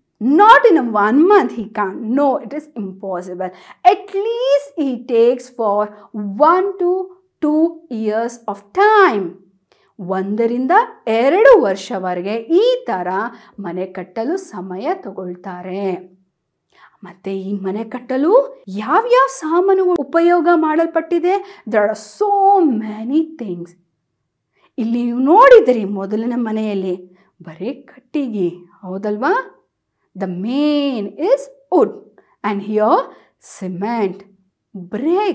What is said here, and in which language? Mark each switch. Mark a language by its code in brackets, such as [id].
[en] Not in a 1 month he can, no, it is impossible. At least he takes for 1 to 2 years of time. [kn] ಒಂದರಿಂದ 2 ವರ್ಷವರೆಗೆ ಈ ಥರ ಮನೆ ಕಟ್ಟಲು ಸಮಯ ತಗೊಳ್ತಾರೆ. ಮತ್ತು ಈ ಮನೆ ಕಟ್ಟಲು ಯಾವ್ಯಾವ ಸಾಮಾನು ಉಪಯೋಗ ಮಾಡಲ್ಪಟ್ಟಿದೆ? [en] There are so many things. [kn] ಇಲ್ಲಿ ನೀವು ನೋಡಿದ್ರಿ ಮೊದಲನೇ ಮನೆಯಲ್ಲಿ ಬರೀ ಕಟ್ಟಿಗೆ ಹೌದಲ್ವಾ. [en] The main is wood and here cement, brick.